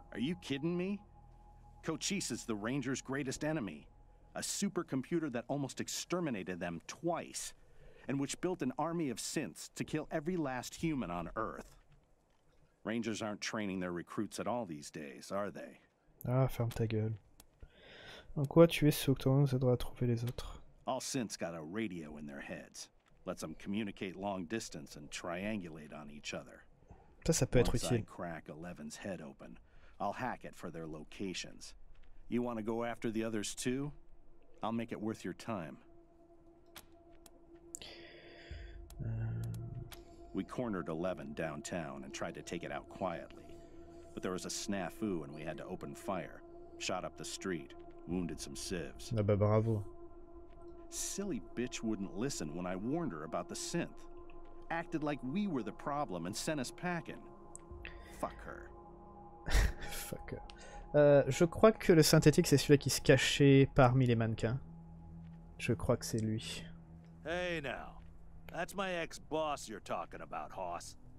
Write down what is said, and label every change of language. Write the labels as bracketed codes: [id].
[en] Are you kidding me? Cochise is the Ranger's greatest enemy. A supercomputer that almost exterminated them twice, and which built an army of synths to kill every last human on Earth. Rangers aren't training their recruits at all these days, are they? [fr] Ah, ferme ta gueule. En quoi tu es sous ton nom, ça doit trouver les autres. [en] All synths got a radio in their heads. Let's them communicate long distance and triangulate on each other. [fr] Ça peut être utile. [en] Once I crack Eleven's head open, I'll hack it for their locations. You want to go after the others too? I'll make it worth your time. We cornered Eleven downtown and tried to take it out quietly. But there was a snafu and we had to open fire. Shot up the street, wounded some civs. [fr] Ah bah bravo. [en] Silly bitch wouldn't listen when I warned her about the synth. Acted like we were the problem and sent us packing. Fuck her. Fuck her. [fr] Je crois que le synthétique, c'est celui qui se cachait parmi les mannequins. Je crois que c'est lui. [en] Hey now. That's my ex-boss you're talking about, Hoss.